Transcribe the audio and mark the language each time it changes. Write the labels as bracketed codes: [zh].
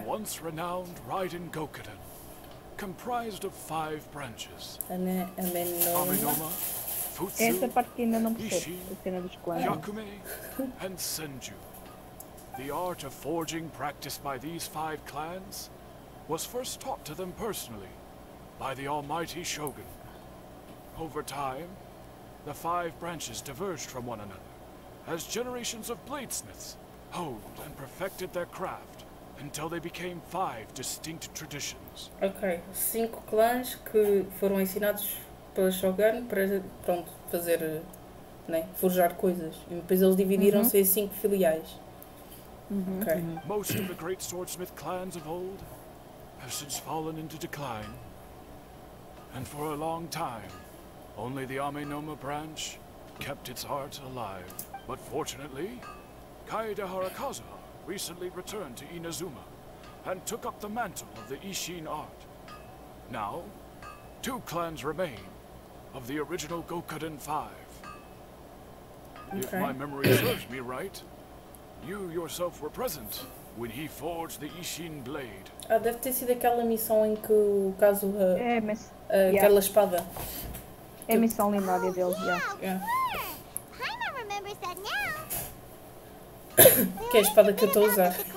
[en] The once renowned Raiden Gokuden, comprised of five branches. Aminoma, [pt] Futsu, essa parte que ainda não percebo, a cena dos clãs. [en] Yakume and Senju. The art of forging practiced by these five clans was first taught to them personally by the almighty shogun. Over time, the five branches diverged from one another as generations of bladesmiths honed and perfected their craft until they became five distinct traditions. [pt] Okay, cinco clãs que foram ensinados pelo shogun para pronto fazer, né, forjar coisas, e depois eles dividiram-se em cinco filiais. [en] Okay. Most of the great swordsmith clans of old have since fallen into decline, and for a long time, only the Aminoma branch kept its heart alive. But fortunately, Kaede Harakaza recently returned to Inazuma and took up the mantle of the Isshin art. Now, two clans remain of the original Gokuden Five. Okay. If my memory serves me right, you yourself were present when he forged the Isshin blade. [pt] Ah, deve ter sido aquela missão em que o caso aquela espada. É a missão lendária deles, já. [en] Paimon remembers that now. [pt] Que é a espada que eu estou a usar.